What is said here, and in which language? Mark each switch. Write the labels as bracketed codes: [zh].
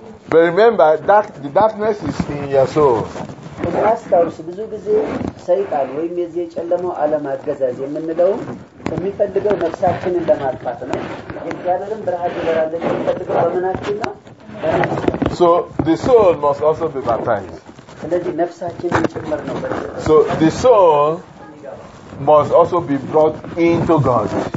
[en] But remember that the darkness is in your soul. [am] አስተውሉ ብዙ ጊዜ ሰይጣን ወይም የዚህ ጨለማው ዓለም አገዛዝ የምንለው የሚፈልገው ነፍሳችንን እንደማጥፋት ነው። የእግዚአብሔርን ብርሃን ይበራል የሚፈልገው በመናችን ነው። [en] So the soul must also be baptized. [am] ስለዚህ ነፍሳችንን ጭምር ነው። [en] So the soul must also be brought into God.